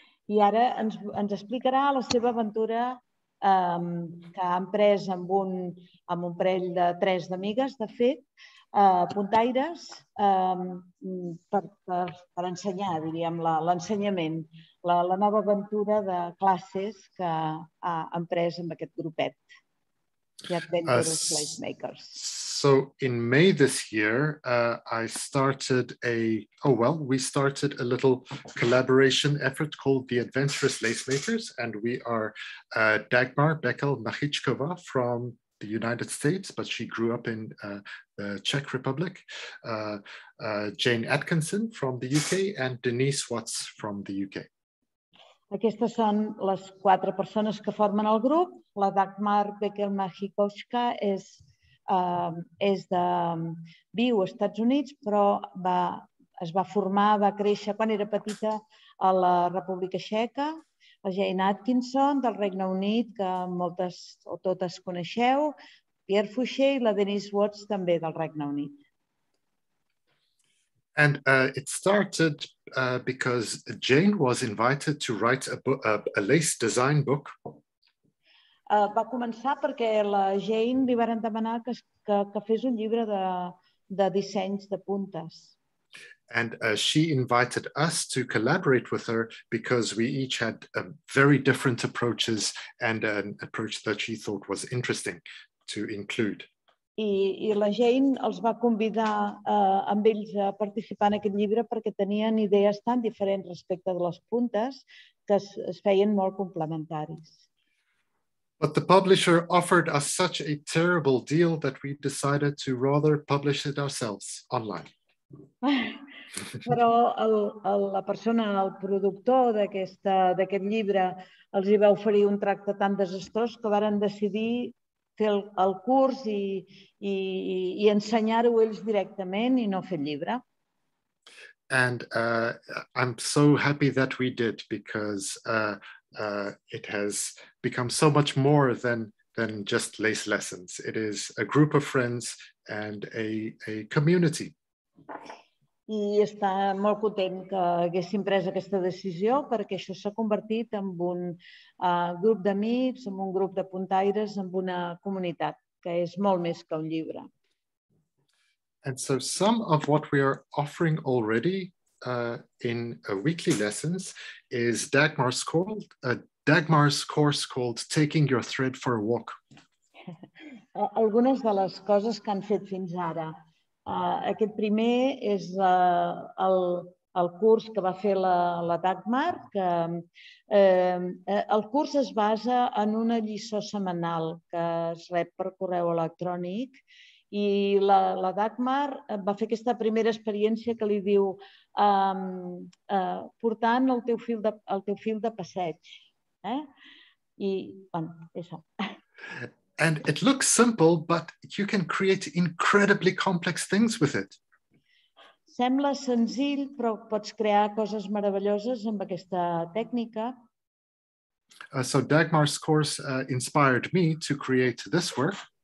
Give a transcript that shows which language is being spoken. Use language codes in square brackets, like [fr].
[ca] I ara ens explicarà la seva aventura que ha emprès amb un parell de tres d'amigues, de fet, puntaires, per ensenyar, diríem, l'ensenyament, la nova aventura de classes que ha emprès amb aquest grupet. [en] So in May this year, I started we started a little collaboration effort called the Adventurous Lacemakers, and we are Dagmar Beckel Machichkova from the United States, but she grew up in the Czech Republic, Jane Atkinson from the UK, and Denise Watts from the UK. [ca] Aquestes són les quatre persones que formen el grup. La Dagmar Beckel-Magikowska viu als Estats Units, però va créixer quan era petita a la República Txeca. La Jane Atkinson, del Regne Unit, que moltes o totes coneixeu. Pierre Fouché i la Denise Watts, també del Regne Unit. [en] And it started because Jane was invited to write a lace design book. [ca] Va començar perquè la Jane li van demanar que fes un llibre de dissenys de puntes. [en] And she invited us to collaborate with her because we each had very different approaches and an approach that she thought was interesting to include. [ca] I la Jane els va convidar amb ells a participar en aquest llibre perquè tenien idees tan diferents respecte de les puntes que es feien molt complementaris. [en] But the publisher offered us such a terrible deal that we decided to rather publish it ourselves online. [ca] Però la persona, el productor d'aquest llibre, els hi va oferir un tracte tan desastrós que varen decidir fer el curs i ensenyar-ho ells directament i no fer el llibre. [en] And I'm so happy that we did, because it has become so much more than just lace lessons. It is a group of friends and a community. [ca] I està molt content que haguéssim pres aquesta decisió, perquè això s'ha convertit en un grup d'amics, en un grup de puntaires, en una comunitat, que és molt més que un llibre. [en] And so some of what we are offering already in weekly lessons is Dagmar's course called Taking Your Thread for a Walk. [ca] Algunes de les coses que han fet fins ara. Aquest primer és el curs que va fer la Dagmar, que el curs es basa en una lliçó setmanal que es rep per correu electrònic, i la Dagmar va fer aquesta primera experiència que li diu portant el teu fil de passeig. I, bueno, és això. [en] And it looks simple, but you can create incredibly complex things with it. [ca] Sembla senzill, però pots crear coses meravelloses amb aquesta tècnica. [en] So Dagmar's course inspired me to create this work.